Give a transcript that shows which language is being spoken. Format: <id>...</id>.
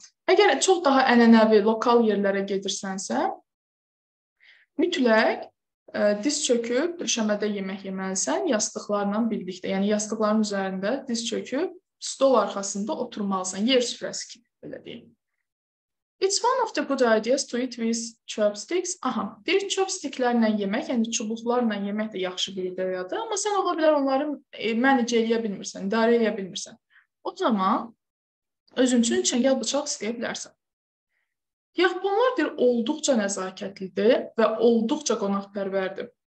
<az>Əgər çox daha ənənəvi, lokal yerlərə gedirsənsə, mütləq diz çöküb, döşəmədə yemək yeməlisən, yastıqlarla birlikdə, yəni yastıqların üzərində diz çöküb, stol arxasında oturmalısan, yer süfrəsi kimi, belə deyim.</az> <en>It's one of the good ideas to eat with chopsticks.</en> <az>Bir chopsticklərlə yemək, yəni çubuqlarla yemək də yaxşı bir ideyadır, amma sən ola bilər onları mənəcə eləyə bilmirsən, idarə eləyə bilmirsən. O zaman özün üçün çəngəl bıçaq istəyə bilərsən. Yaponlar deyir, olduqca nəzakətlidir və olduqca qonaqpərvərdir.</az>